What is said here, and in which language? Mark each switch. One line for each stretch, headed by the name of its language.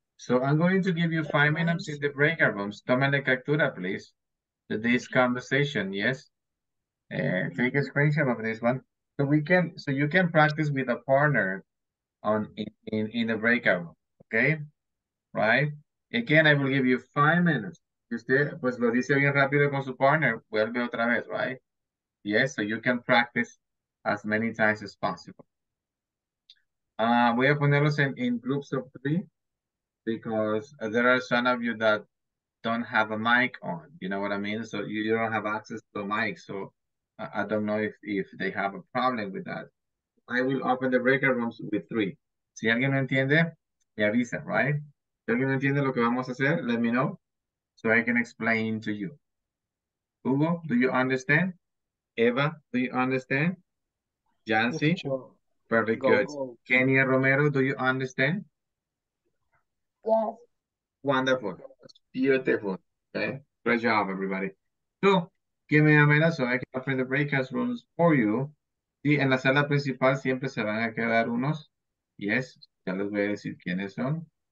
English: So I'm going to give you 5 minutes in the breakout rooms.
Spanish: Tomen la captura,
English: please. This conversation, yes? Take a screenshot of this one. So you can practice with a partner in the breakout room, okay? Right? Again, I will give you 5 minutes.
Spanish: Usted, pues lo dice bien rápido con su partner, vuelve otra vez, right?
English: Yes, so you can practice as many times as possible.
Spanish: Voy a ponerlos
English: in groups of three because there are some of you that don't have a mic on, you know what I mean? So you don't have access to a mic, so I don't know if they have a problem with that. I will open the breakout rooms with three.
Spanish: Si alguien no entiende, me avisa, right? Si alguien no entiende lo que vamos a hacer,
English: let me know so I can explain to you. Hugo, do you understand? Eva, do you understand? Yancy? Perfect, good. Kenia Romero, do you understand? Yes. Wonderful. Beautiful. Okay. Great job, everybody. So, give me a minute so I can open the breakout rooms for you.
Spanish: Sí, en la sala principal siempre se van a quedar unos. Yes, ya les voy a decir quiénes son.